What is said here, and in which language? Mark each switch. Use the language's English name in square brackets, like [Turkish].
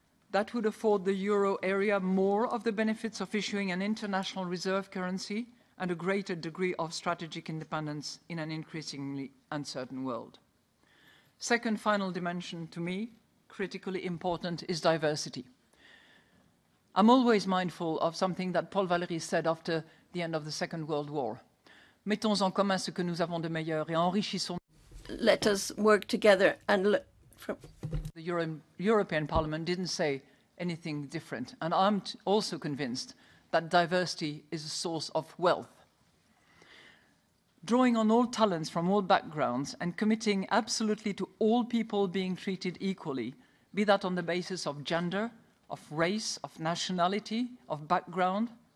[English] That would afford the euro area more of the benefits of issuing an international reserve currency and a greater degree of strategic independence in an increasingly uncertain world. Second final dimension to me, critically important, is diversity. I'm always mindful of something that Paul Valéry said after the end of the Second World War. [French] Mettons en commun ce que nous avons de meilleur et enrichissons. [English] Let us work together and look. The European Parliament didn't say anything different, and I'm also convinced that diversity is a source of wealth. drawing on all talents from all backgrounds and committing absolutely to all people being treated equally, be that on the basis of gender, of race, of nationality, of background.